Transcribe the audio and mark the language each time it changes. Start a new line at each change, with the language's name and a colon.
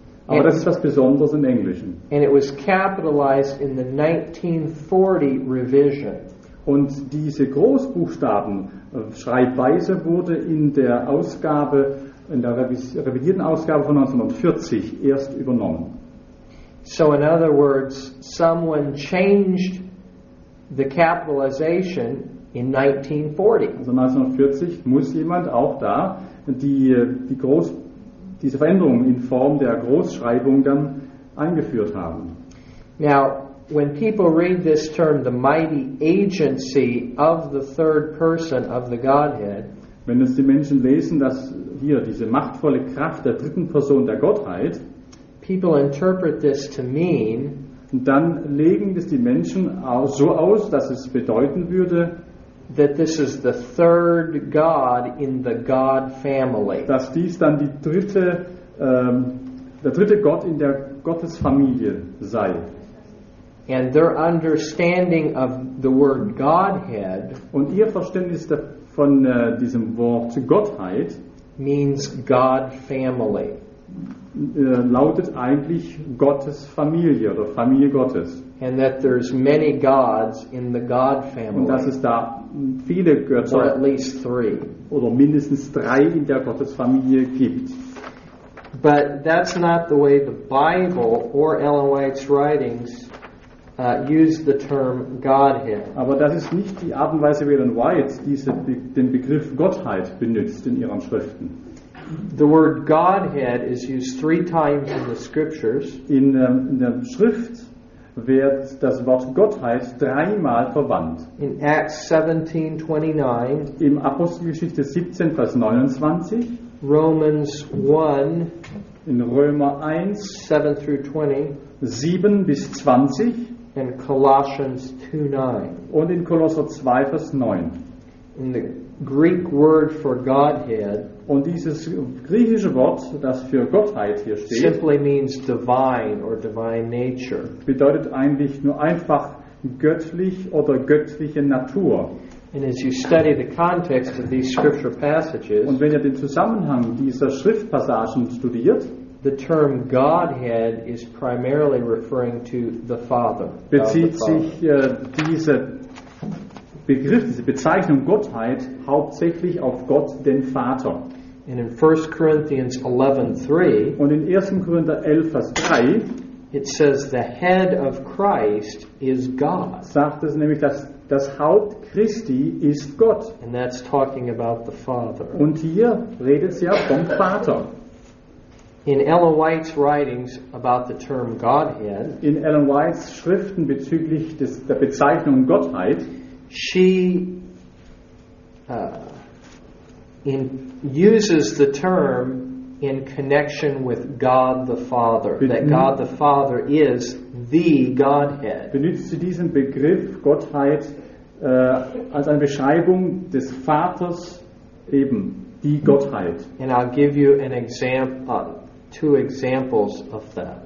German: Aber das ist was Besonderes im Englischen.
English: And it was capitalized in the 1940 revision.
German: Und diese Großbuchstaben-Schreibweise wurde in der Ausgabe, in der revidierten Ausgabe von 1940 erst übernommen.
English: So in other words, someone changed the capitalization in 1940.
German: Also 1940 muss jemand auch da diese Veränderung in Form der Großschreibung dann eingeführt haben.
English: Now, when people read this term, the mighty agency of the third person of the Godhead,
German: wenn es die Menschen lesen, dass hier diese machtvolle Kraft der dritten Person der Gottheit,
English: people interpret this to mean,
German: dann legen es die Menschen auch so aus, dass es bedeuten würde,
English: that this is the third God in the God family.
German: Dass dies dann die dritte, der dritte Gott in der Gottesfamilie sei.
English: And their understanding of the word Godhead,
German: und ihr Verständnis von diesem Wort Gottheit,
English: means God family,
German: lautet eigentlich Gottes Familie oder Familie Gottes.
English: And that there's many gods in the God family,
German: und dass es da viele Götter,
English: or at least three,
German: oder mindestens drei in der Gottesfamilie gibt.
English: But that's not the way the Bible or Ellen White's writings use the term Godhead.
German: Aber das ist nicht die Art und Weise, wie Ellen White den Begriff Gottheit benutzt in ihren Schriften.
English: The word Godhead is used three times in the Scriptures.
German: In der Schrift wird das Wort Gottheit dreimal verwandt.
English: In Acts 17:29.
German: Im Apostelgeschichte 17, Vers 29.
English: Romans 1.
German: In Römer 1.
English: 7 through 20.
German: 7 bis 20.
English: And Colossians 2:9.
German: Und in Kolosser 2, Vers 9.
English: In the Greek word for Godhead,
German: und dieses griechische Wort, das für Gottheit hier steht,
English: simply means divine or divine nature.
German: Bedeutet eigentlich nur einfach göttlich oder göttliche Natur.
English: And as you study the context of these scripture passages,
German: und wenn ihr den Zusammenhang dieser Schriftpassagen studiert,
English: the term Godhead is primarily referring to the Father.
German: Bezieht sich diese Begriff, diese Bezeichnung Gottheit hauptsächlich auf Gott, den Vater.
English: And in 1 Corinthians 11:3,
German: und in 1. Korinther 11, Vers 3,
English: it says the head of Christ is God.
German: Sagt es nämlich, dass das Haupt Christi ist Gott.
English: And that's talking about the Father.
German: Und hier redet es ja vom Vater.
English: In Ellen White's writings about the term Godhead,
German: in Ellen White's Schriften bezüglich des, der Bezeichnung Gottheit,
English: she uses the term in connection with God the Father, that God the Father is the Godhead.
German: Benutzt sie diesen Begriff Gottheit als eine Beschreibung des Vaters, eben die Gottheit.
English: And I'll give you an example, two examples of that.